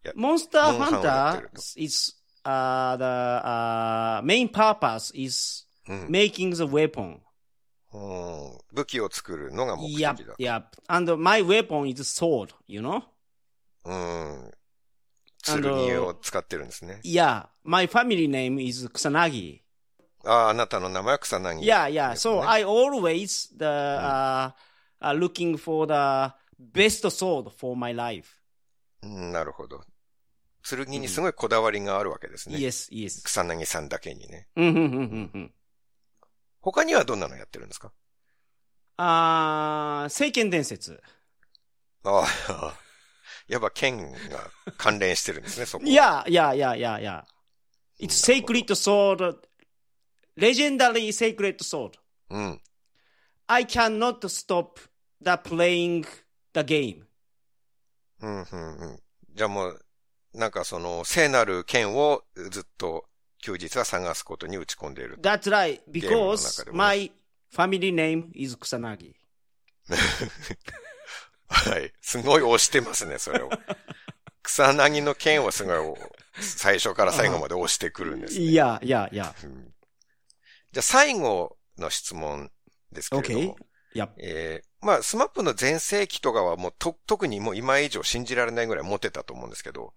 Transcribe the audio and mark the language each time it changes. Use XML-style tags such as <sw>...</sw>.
<en>モンスターハンター is, the, main purpose is making the weapon.、</en> <ja>うん、武器を作るのが目的だ。</ja> <en>Yep, yep. And my weapon is sword, you know?</en> <ja>うん。剣を使ってるんですね。</ja> <en>And, yeah. My family name is 草薙。</en> <ja>ああ、あなたの名前は草薙。</ja> <en>Yeah, yeah. So, I always the, looking for the best sword for my life.</en> <ja>なるほど。剣にすごいこだわりがあるわけですね。</ja> <en>Yes, yes.</en> <ja>草薙さんだけにね。うん。他にはどんなのやってるんですか？聖剣伝説。ああ、やっぱ剣が関連してるんですね、そこ。</ja> <en>Yeah, yeah, yeah, yeah, yeah. It's sacred sword. レジェンダリーセークレットソード。</en> <ja>うん。</ja> <en>I cannot stop the playing the game.</en> <ja>うんうんうん。じゃあもう、なんかその、聖なる剣をずっと休日は探すことに打ち込んでいる。</ja> <en>That's right, because my family name is 草薙。</en> <ja>はい。すごい押してますね、それを。草薙の剣をすごい、最初から最後まで押してくるんですね。いやいやいや。じゃあ最後の質問ですけれども、</ja> <en>okay. yep.</en> <ja>まあスマップの全盛期とかはもう特にもう今以上信じられないぐらいモテたと思うんですけど、</ja>